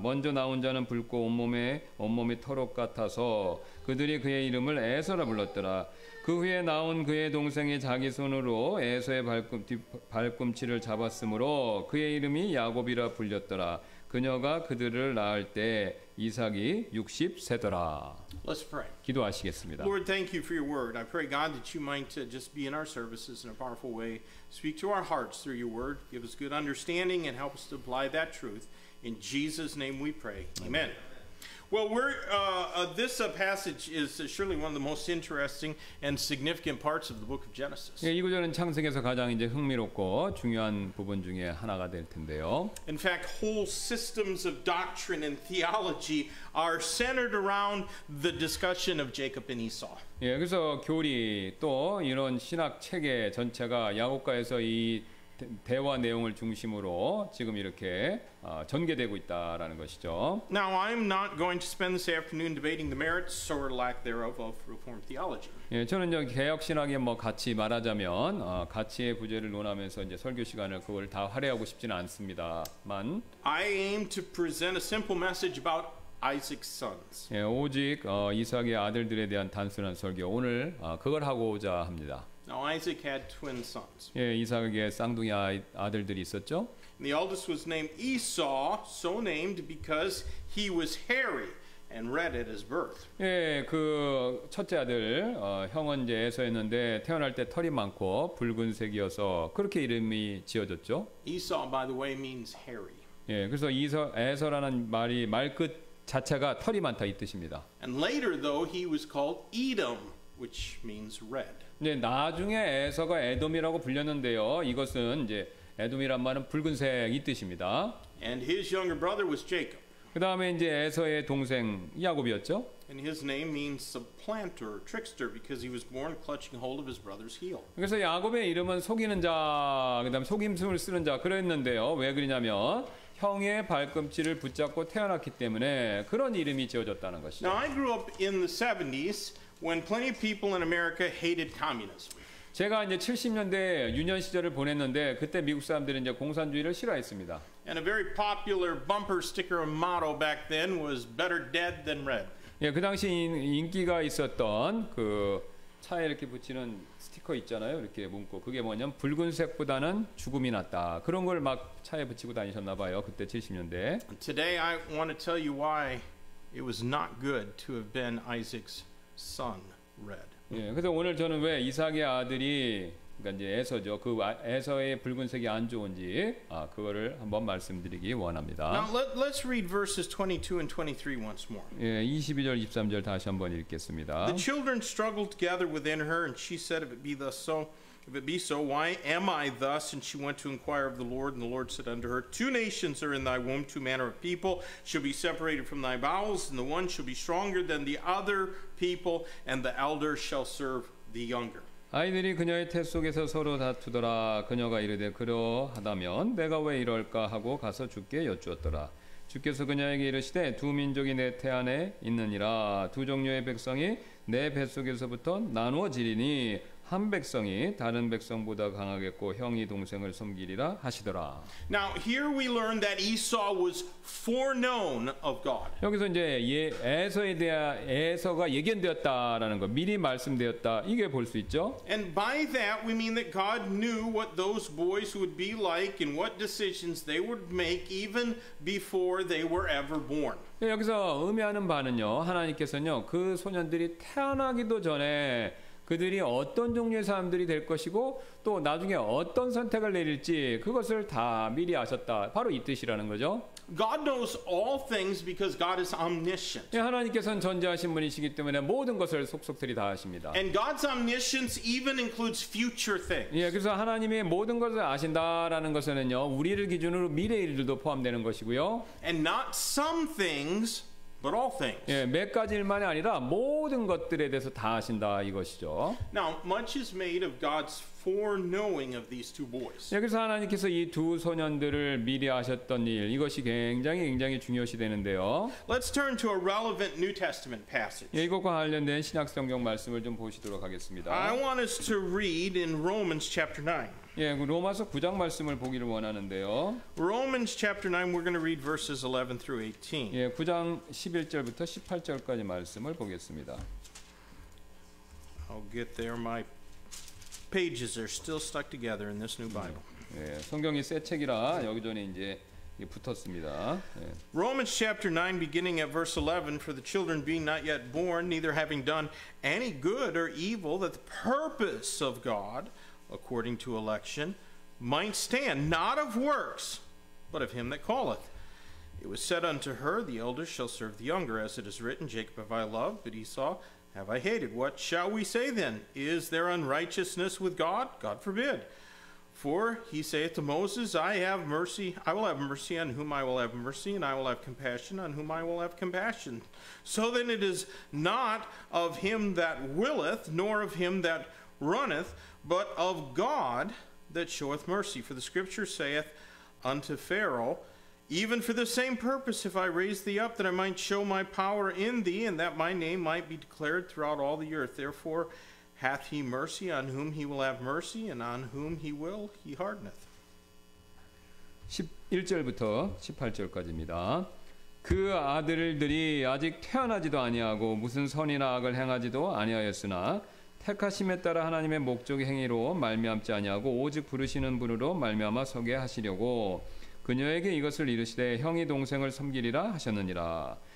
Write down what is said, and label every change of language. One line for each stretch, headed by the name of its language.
Korean: 먼저 나온 자는 붉고 온몸이 털옷 같아서 그들이 그의 이름을 에서라 불렀더라. 그 후에 나온 그의 동생이 자기 손으로 에서의 발꿈치를 잡았으므로 그의 이름이 야곱이라 불렸더라. 그녀가 그들을 낳을 때 이삭이 60세더라.
English: Let's pray.
Korean: 기도하시겠습니다.
English: Lord, thank you for your word. I pray, God, that you might just be in our services in a powerful way. Speak to our hearts through your word. Give us good understanding and help us to apply that truth. In Jesus' name we pray. Amen. Amen. Well, this passage is surely one of the most interesting and significant parts of the book of Genesis.
Korean: 예, 이 구절은 창세기에서 가장 이제 흥미롭고 중요한 부분 중에 하나가 될 텐데요.
English: In fact, whole systems of doctrine and theology are centered around the discussion of Jacob and Esau.
Korean: 예, 그래서 교리 또 이런 신학 체계 전체가 야곱과 에서 이 대화 내용을 중심으로 지금 이렇게 전개되고 있다라는 것이죠.
English: Now I'm not going to spend this afternoon debating the merits or lack thereof of Reformed theology.
Korean: 예, 저는 이제 개혁 신학에 뭐 같이 말하자면 가치의 부재를 논하면서 이제 설교 시간을 그걸 다 할애하고 싶지는 않습니다만.
English: I aim to present a simple message about Isaac's sons.
Korean: 예, 오직 이삭의 아들들에 대한 단순한 설교 오늘 그걸 하고자 합니다.
English: Now Isaac had twin sons.
Korean: 예, 이삭에게 쌍둥이 아들들이 있었죠.
English: And the eldest was named Esau, so named because he was hairy and red at his birth.
Korean: 예, 그 첫째 아들 형은 이제 에서였는데 태어날 때 털이 많고 붉은색이어서 그렇게 이름이 지어졌죠.
English: Esau, by the way, means hairy.
Korean: 예, 그래서 에서라는 말이 말 끝 자체가 털이 많다 이 뜻입니다.
English: And later, though, he was called Edom, which means red.
Korean: 네, 나중에 에서가 에돔이라고 불렸는데요. 이것은 이제 에돔이란 말은 붉은색 이 뜻입니다.
English: And his younger brother was Jacob.
Korean: 그 다음에 이제 에서의 동생 야곱이었죠.
English: And his name means supplanter, trickster, because he was born clutching hold of his brother's heel.
Korean: 그래서 야곱의 이름은 속이는 자, 그다음 속임수를 쓰는 자 그랬는데요. 왜 그러냐면 형의 발꿈치를 붙잡고 태어났기 때문에 그런 이름이 지어졌다는 것이죠.
English: Now I grew up in the 70s. When plenty of people in America hated communism.
Korean: 제가 이제 70년대 유년 시절을 보냈는데 그때 미국 사람들은 이제 공산주의를 싫어했습니다.
English: And a very popular bumper sticker motto back then was better dead than red.
Korean: 예, 그 당시 인기가 있었던 그 차에 이렇게 붙이는 스티커 있잖아요. 이렇게 문구. 그게 뭐냐면 붉은색보다는 죽음이 낫다. 그런 걸 막 차에 붙이고 다니셨나 봐요. 그때 70년대.
English: Today I want to tell you why it was not good to have been Isaac's Sun red.
Korean: 예, 그래서 오늘 저는 왜 이삭의 아들이 그러니까 이제 에서죠. 그 에서의 붉은색이 안 좋은지 그거를 한번 말씀드리기 원합니다.
English: Now let's read verses 22 and 23 once more.
Korean: 예, 22절, 23절 다시 한번 읽겠습니다.
English: The children struggled together within her, and she said, "If it be thus, so if it be so, why am I thus?" And she went to inquire of the Lord, and the Lord said unto her, "Two nations are in thy womb; two manner of people shall be separated from thy bowels, and the one shall be stronger than the other." People and the elder shall serve the younger.
Korean: 아이들이 그녀의 태 속에서 서로 다투더라. 그녀가 이르되 그러하다면 내가 왜 이럴까 하고 가서 주께 여쭈었더라. 주께서 그녀에게 이르시되 두 민족이 내 태 안에 있느니라. 두 종류의 백성이 내 뱃속에서부터 나누어지리니 한 백성이 다른 백성보다 강하겠고 형이 동생을 섬기리라 하시더라.
English: Now here we learn that Esau was foreknown of God.
Korean: 여기서 이제 에서에 대해 에서가 예견되었다라는 거 미리 말씀되었다 이게 볼 수 있죠.
English: And by that we mean that God knew what those boys would be like and what decisions they would make even before they were ever born.
Korean: 여기서 의미하는 바는요 하나님께서는요 그 소년들이 태어나기도 전에 그들이 어떤 종류의 사람들이 될 것이고 또 나중에 어떤 선택을 내릴지 그것을 다 미리 아셨다. 바로 이 뜻이라는 거죠.
English: God knows all things because God is omniscient.
Korean: 예, 하나님께서는 전지하신 분이시기 때문에 모든 것을 속속들이 다 아십니다.
English: And God's omniscience even includes future things.
Korean: 예, 그래서 하나님의 모든 것을 아신다라는 것은요, 우리를 기준으로 미래 일들도 포함되는 것이고요.
English: And not some things. But all things.
Korean: 예, 몇 가지 일만이 아니라 모든 것들에 대해서 다 아신다 이것이죠.
English: Now much is made of God's foreknowing of these two boys.
Korean: 여기서 하나님께서 이 두 소년들을 미리 아셨던 일 이것이 굉장히 중요시 되는데요.
English: Let's turn to a relevant New Testament passage.
Korean: 예, 이것과 관련된 신약성경 말씀을 좀 보시도록 하겠습니다.
English: I want us to read in Romans chapter 9.
Korean: 예, 로마서 9장 말씀을 보기를 원하는데요.
English: Romans chapter 9 we're going to read verses 11 through 18.
Korean: 예, 9장 11절부터 18절까지 말씀을 보겠습니다.
English: I'll get there. My pages are still stuck together in this new Bible.
Korean: 예, 성경이 새 책이라 여기저기 이제 붙었습니다. 예.
English: Romans chapter 9 beginning at verse 11 for the children being not yet born neither having done any good or evil that the purpose of God according to election, might stand, not of works, but of him that calleth. It was said unto her, the elder shall serve the younger, as it is written, Jacob have I loved, but Esau have I hated. What shall we say then? Is there unrighteousness with God? God forbid. For he saith to Moses, I have mercy, I will have mercy on whom I will have mercy, and I will have compassion on whom I will have compassion. So then it is not of him that willeth, nor of him that runneth, but of God that showeth mercy. For the scripture saith unto Pharaoh, even for the same purpose if I raise thee up, that I might show my power in thee, and that my name might be declared throughout all the earth. Therefore hath he mercy on whom he will have mercy, and on whom he will he hardeneth.
Korean: 11절부터 18절까지입니다. 그 아들들이 아직 태어나지도 아니하고 무슨 선이나 악을 행하지도 아니하였으나 택하심에 따라 하나님의 목적 행위로 말미암지 아니하고 오직 부르시는 분으로 말미암아 서게 하시려고 그녀에게 이것을 이르시되 형이 동생을 섬기리라 하셨느니라.